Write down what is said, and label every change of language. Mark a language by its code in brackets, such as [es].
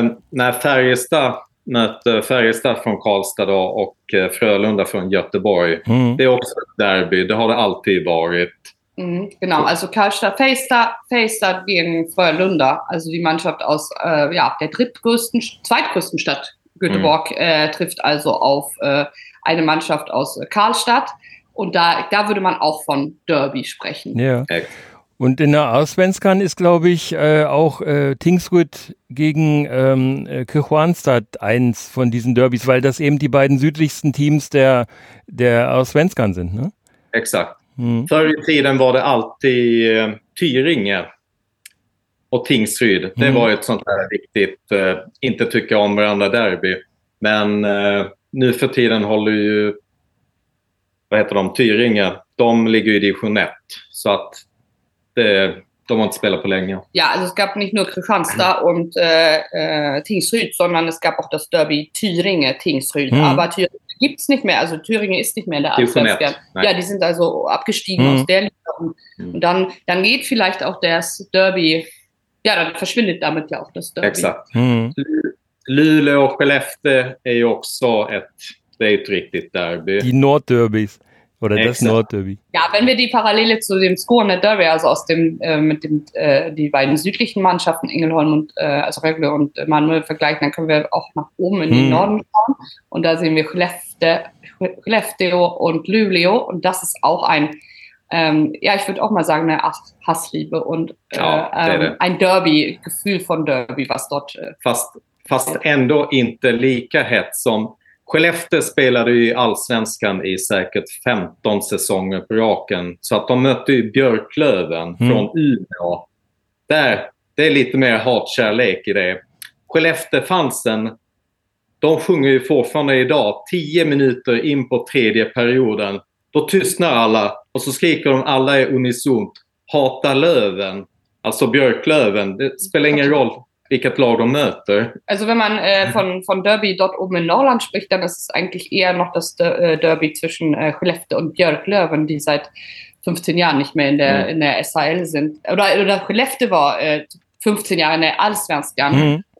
[sv] När Färjestad från Karlstad då och Frölunda från Göteborg. Mm. Det är också ett derby. Det har det alltid varit. [de] Genau, also Karlstad gegen Frölunda, also die Mannschaft aus der zweitgrößten Stadt Göteborg trifft also auf eine Mannschaft aus Karlstad, und da würde man auch von Derby sprechen. Ja. Yeah. Und in der Allsvenskan ist, glaube ich, auch Tingsryd gegen Kristianstad eins von diesen Derbys, weil das eben die beiden südlichsten Teams der Allsvenskan sind, ne? [sv] Exakt. Förr i tiden war det alltid Tyringe och Tingsryd. Det var ett sånt här riktigt, inte tycka om varandra derby. Men nu för tiden håller ju, vad heter de, Tyringe. De ligger ju i division 1, så att de har inte spelat på länge. [de] Ja, alltså es gab nicht nur Kristianstad und Tingsryd, sondern es gab auch das Derby Thüringe-Tingsryd. Mm. Aber Thüringe gibt es nicht mehr, also Thüringe ist nicht mehr in der Allsvenskan. Ja, die sind also abgestiegen aus der Liga. Und dann geht vielleicht auch das Derby, ja, dann verschwindet damit ja auch das Derby. [sv] Exakt. Luleå och Skellefteå är ju också ett riktigt Derby. [de] Die Nordderbys. Oder das Nordderby. Ja, wenn wir die Parallele zu dem Skåne Derby, also aus dem mit dem die beiden südlichen Mannschaften Ängelholm und also Rögle und Malmö vergleichen, dann können wir auch nach oben in den Norden schauen, und da sehen wir Skellefteå und Luleå, und das ist auch ein ich würde auch mal sagen, eine Hassliebe und ein Derby, Gefühl von Derby, was dort [sv] fast ändå inte lika hett som. Skellefteå spelade ju i Allsvenskan i säkert 15 säsonger på raken. Så att de mötte ju Björklöven från Umeå. Där, det är lite mer hatkärlek i det. Skellefteå fansen, de sjunger ju fortfarande idag. 10 minuter in på tredje perioden. Då tystnar alla och så skriker de alla i unisont. Hata Löven, alltså Björklöven, det spelar ingen roll. [de] Also wenn man von Derby dort oben in Norrland spricht, dann ist es eigentlich eher noch das Derby zwischen Skellefteå und Björklöven, die seit 15 Jahren nicht mehr in der SHL sind. Oder Skellefteå war 15 Jahre in der Allsvenskan. Mhm.